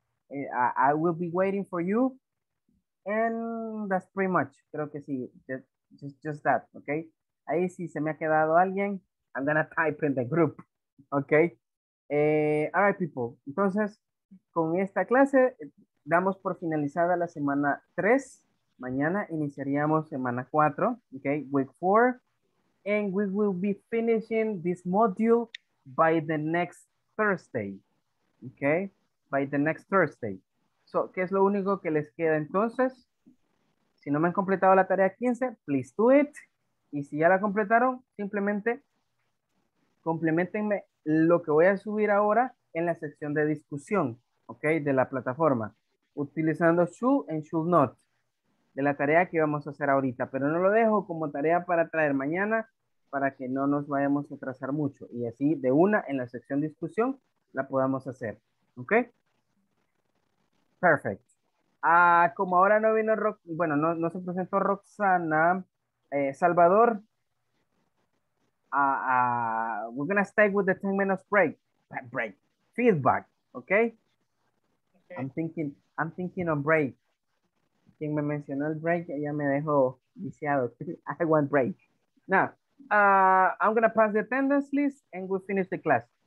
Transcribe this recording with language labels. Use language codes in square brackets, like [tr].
[en] I will be waiting for you. And that's pretty much, [es] creo que sí. [en] Just that, okay? [es] Ahí sí, se me ha quedado alguien. [en] I'm gonna type in the group, okay? All right, people. [es] Entonces, con esta clase damos por finalizada la semana 3. Mañana iniciaríamos semana 4, okay? Week 4. [en] And we will be finishing this module by the next Thursday. Okay? By the next Thursday. [es] So, ¿qué es lo único que les queda entonces? Si no me han completado la tarea 15, [en] please do it. [es] Y si ya la completaron, simplemente complementenme lo que voy a subir ahora en la sección de discusión, ¿ok? De la plataforma, utilizando should and should not, de la tarea que vamos a hacer ahorita, pero no lo dejo como tarea para traer mañana, para que no nos vayamos a atrasar mucho. Y así de una en la sección discusión la podamos hacer. ¿Ok? Perfect. Ah, como ahora no vino no se presentó Roxana, Salvador. [en] We're gonna stay with the 10 minutes break. Feedback, okay? I'm thinking on break. [es] Quien me mencionó el break, ya me dejó viciado. [en] I want break. Now, I'm gonna pass the attendance list and we'll finish the class.